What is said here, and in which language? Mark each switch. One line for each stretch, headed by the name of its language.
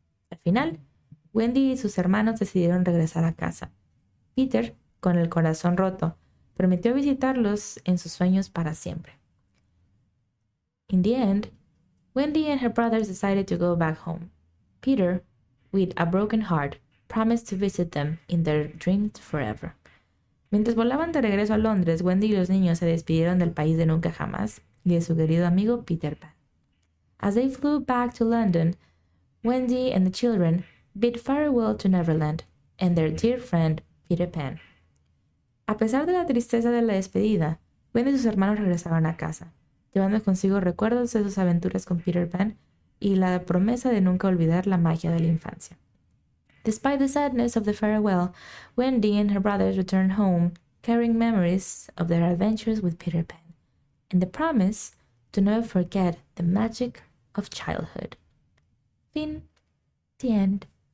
Spanish: Al final, Wendy y sus hermanos decidieron regresar a casa. Peter, con el corazón roto, prometió visitarlos en sus sueños para siempre.
English: In the end, Wendy and her brothers decided to go back home. Peter, with a broken heart, promised to visit them in their dreams forever.
Spanish: Mientras volaban de regreso a Londres, Wendy y los niños se despidieron del país de nunca jamás y de su querido amigo Peter Pan.
English: As they flew back to London, Wendy and the children bid farewell to Neverland and their dear friend Peter Pan.
Spanish: A pesar de la tristeza de la despedida, Wendy y sus hermanos regresaron a casa, llevando consigo recuerdos de sus aventuras con Peter Pan y la promesa de nunca olvidar la magia de la infancia.
English: Despite the sadness of the farewell, Wendy and her brothers returned home, carrying memories of their adventures with Peter Pan, and the promise to never forget the magic of childhood.
Spanish: Fin.
English: The end.